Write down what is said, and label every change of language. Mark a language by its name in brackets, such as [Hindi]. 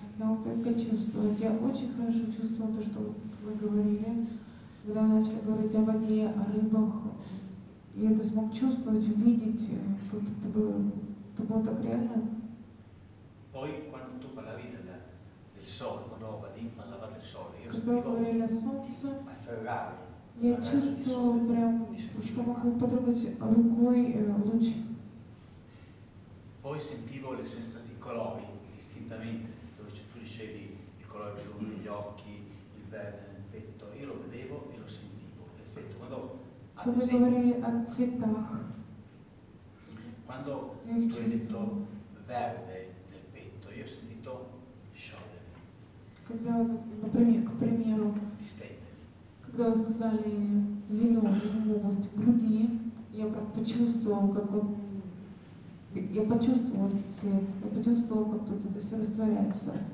[Russian] Я вот это чувствую. Я очень хорошо чувствовала то, что вы говорили, когда начали говорить о воде, о рыбах. И это смог чувствовать, увидеть, как это было так реально. [Italian] Poi, quando tu parlavi del sole, quando Vadim parlava del sole, io [Russian] когда говорили о солнце, Ferrari, я чувствовала прям, что могу потрогать рукой луч. [Italian] Poi sentivo le sensazioni di colori, distintamente. Dicevi il colore blu, gli occhi, il verde nel petto, io lo vedevo e lo sentivo. L'effetto quando ad esempio, quando tu hai detto verde nel petto, io ho sentito sciogliere. [Russian] Когда, например, к примеру, когда сказали зеленый в области груди, я почувствовал, как тут это все растворяется.